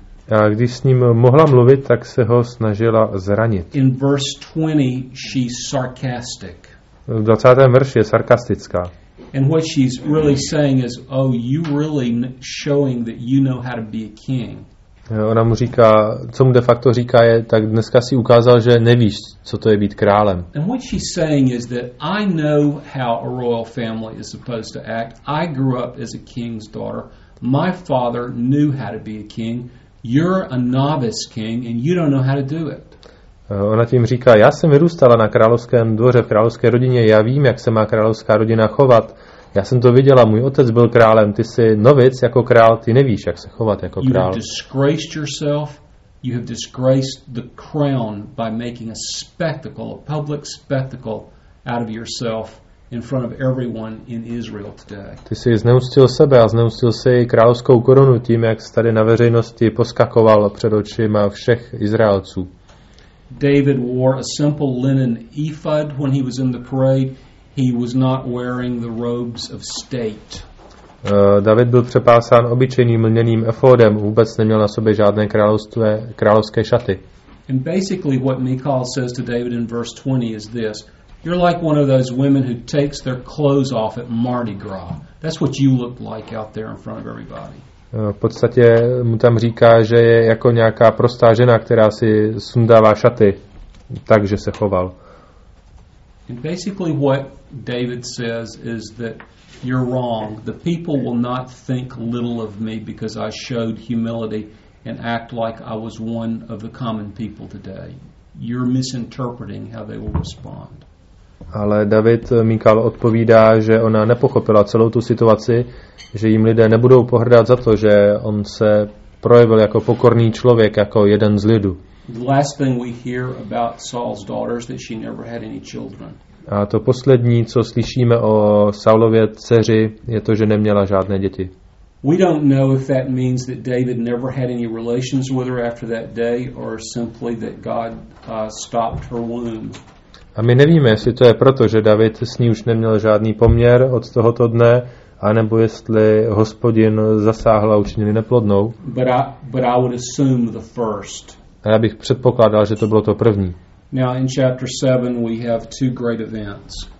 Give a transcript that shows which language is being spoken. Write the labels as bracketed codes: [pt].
[cs] A když s ním mohla mluvit, tak se ho snažila zranit. [en] In verse 20, she's sarcastic. [cs] V 20. verši je sarkastická. [en] And what she's really saying is, oh, you really showing that you know how to be a king. [cs] Ona mu říká, co mu de facto říká, je, tak dneska si ukázal, že nevíš, co to je být králem. [en] And what she's saying is that I know how a royal family is supposed to act. I grew up as a king's daughter. My father knew how to be a king. You're a novice king and you don't know how to do it. [cs] Ona tím říká, já jsem vyrůstala na královském dvoře, v královské rodině, já vím, jak se má královská rodina chovat. Já jsem to viděla, můj otec byl králem, ty jsi novic jako král, ty nevíš, jak se chovat jako král. [en] You have disgraced yourself, you have disgraced the crown by making a spectacle, a public spectacle out of yourself in front of everyone in Israel today. [cs] Ty jsi zneuctil sebe a zneuctil si královskou korunu tím, jak jsi tady na veřejnosti poskakoval před očima všech Izraelců. [en] David wore a simple linen ephod when he was in the parade. He was not wearing the robes of state. [cs] David byl přepásán obyčejným lněným efodem, vůbec neměl na sobě žádné královské šaty. [en] And basically what Michal says to David in verse 20 is this: you're like one of those women who takes their clothes off at Mardi Gras. That's what you look like out there in front of everybody. [cs] V podstatě mu tam říká, že je jako nějaká prostá žena, která si sundává šaty, takže se choval. [en] And basically what David says is that you're wrong. The people will not think little of me because I showed humility and act like I was one of the common people today. You're misinterpreting how they will respond. [cs] Ale David Michal odpovídá, že ona nepochopila celou tu situaci, že jim lidé nebudou pohrdat za to, že on se projevil jako pokorný člověk, jako jeden z lidu. [en] The last thing we hear about Saul's daughter is that she never had any children. [cs] A to poslední, co slyšíme o Saulově dceři, je to, že neměla žádné děti. [en] We don't know if that means that David never had any relations with her after that day, or simply that God stopped her womb. [cs] A my nevíme, jestli to je proto, že David s ní už neměl žádný poměr od tohoto dne, anebo jestli Hospodin zasáhl a učinil neplodnou. [en] But I would assume the first. [cs] A já bych předpokládal, že to bylo to první. [en] Now in chapter 7 we have two great events.